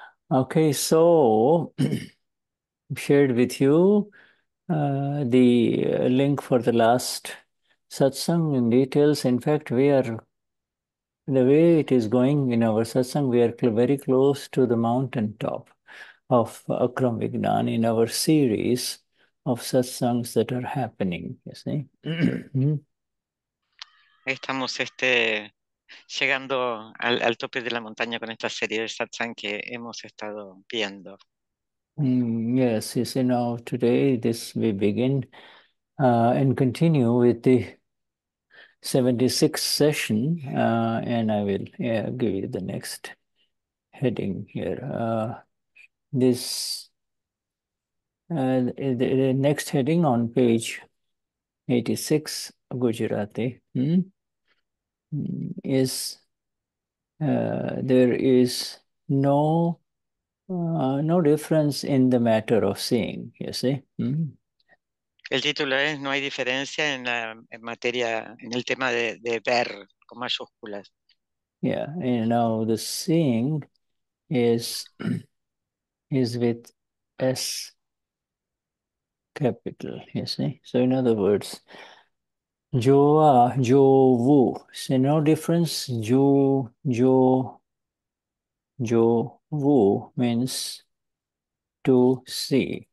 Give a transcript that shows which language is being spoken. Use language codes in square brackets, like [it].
[en] Okay, so I've shared with you the link for the last satsang in details. In fact, we are, the way it is going in our satsang, we are very close to the mountaintop of Akram Vignan in our series of satsangs that are happening, you see. [es] Estamos llegando al tope de la montaña con esta serie de satsang que hemos estado viendo. [en] Yes, you see, now today this we begin and continue with the 76th session, and I will give you the next heading here. The next heading on page 86, Gujarati. Is there is no difference in the matter of seeing, you see? [es] El título es no hay diferencia en la en materia en el tema de ver con mayúsculas. [en] Yeah, and now the seeing is with S capital, you see? So in other words, Jova, Jovu. So no difference. Jovu means to see.